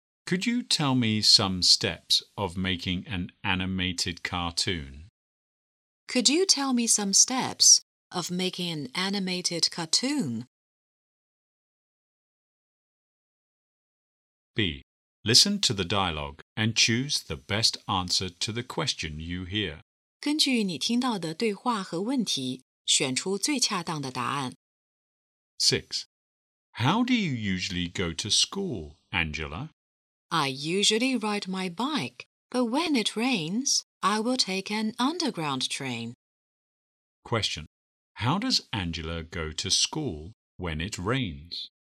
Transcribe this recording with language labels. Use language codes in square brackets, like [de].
[en] Could you tell me some steps of making an animated cartoon? Could you tell me some steps of making an animated cartoon? B. Listen to the dialogue and choose the best answer to the question you hear. [zh] 根据你听到的对话和问题，选出最恰当的答案。 [en] 6. How do you usually go to school? Angela, I usually ride my bike, but when it rains, I will take an underground train. Question. How does Angela go to school when it rains?